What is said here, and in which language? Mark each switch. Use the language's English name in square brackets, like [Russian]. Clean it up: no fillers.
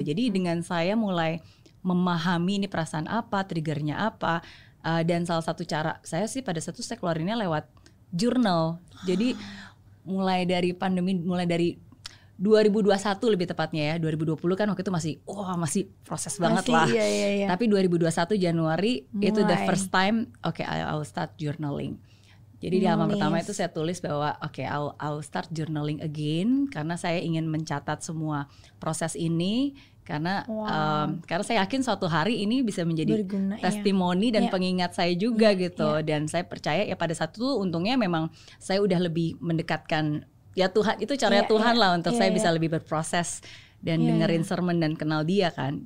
[Indonesian] Jadi dengan saya mulai memahami ini perasaan apa, triggernya apa, dan salah satu cara saya sih pada satu saya keluarinnya lewat jurnal. Jadi mulai dari pandemi, mulai dari 2021 lebih tepatnya ya, 2020 kan waktu itu masih masih proses banget lah. Iya. Tapi 2021 Januari mulai. Itu [English] the first time I'll start journaling. [Indonesian] Jadi di halaman pertama itu saya tulis bahwa [English] I'll start journaling again [Indonesian] karena saya ingin mencatat semua proses ini karena karena saya yakin suatu hari ini bisa menjadi berguna, testimoni dan pengingat saya juga gitu. Dan saya percaya ya pada saat itu untungnya memang saya udah lebih mendekatkan ya Tuhan, itu caranya Tuhan lah untuk saya bisa lebih berproses dan dengerin sermon dan kenal dia kan.